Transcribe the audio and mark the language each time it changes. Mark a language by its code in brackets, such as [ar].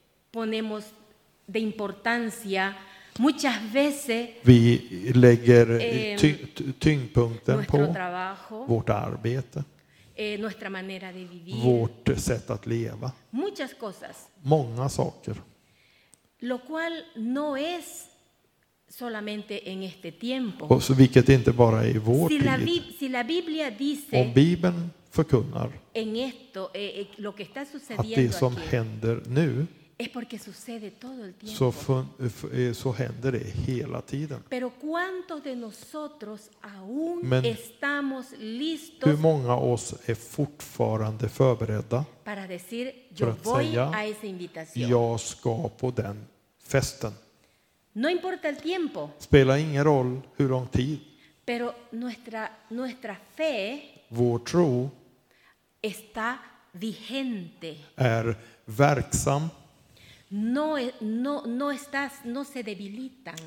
[es] Ponemos de importancia. Muchas veces [sv] vi lägger tyngdpunkten på [es] trabajo, [sv] vårt arbete, [es] nuestra manera de vivir, [sv] vårt sätt att leva, [es] muchas cosas. [sv] Många saker. [es] Lo cual no es solamente en este tiempo. [sv] Och så, vilket inte bara är i vår [es] si [sv] tid. [es] La si la Biblia dice [sv] om Bibeln förkunnar [es] en esto, lo que está sucediendo [sv] att det som [es] aquí. [sv] Händer nu [es] es porque sucede todo el tiempo. [sv] Så händer det hela tiden. [es] Pero cuántos de nosotros aún men estamos listos. [sv] Hur många av oss är fortfarande förberedda? [es] Para decir yo voy a esa invitación. [sv] Jag ska på den festen. [es] No importa el tiempo. [sv] Spelar ingen roll hur lång tid. [es] Pero nuestra fe [sv] vår tro [es] está vigente. [sv] Är verksam. [es] No se debilitan.